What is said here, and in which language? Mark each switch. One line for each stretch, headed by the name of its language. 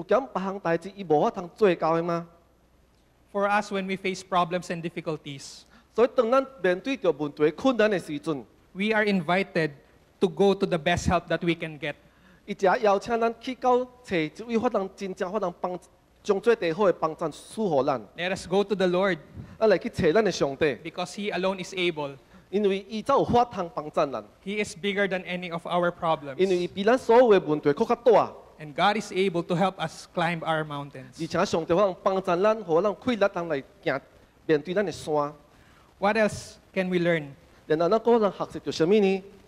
Min Nan Chinese: 所以当咱的上帝若创造天甲地，有兼别项代志，伊无法通做到的吗？
English: For us, when we face problems and difficulties,
Min Nan Chinese: 所以当咱面对着问题困难的时阵，
English: we are invited to go to the best help that we can get.
Min Nan Chinese: 伊只邀请咱去到找一位法能真正法能帮，将最地好的帮助赐予咱。
English: Let us go to the Lord.
Min Nan Chinese: 咱来去找咱的上帝。
English: Because He alone is able.
Min Nan Chinese: 因为伊才有法通帮助咱。
English: He is bigger than any of our problems.
Min Nan Chinese: 因为伊比咱所有的问题更加大。
English: And God is able to help us climb our mountains.
Min Nan Chinese: 而且上帝会帮助咱，让咱有力量来行面对咱的山。
English: What else can we learn?
Min Nan Chinese: 然后咱可能学习到什么呢？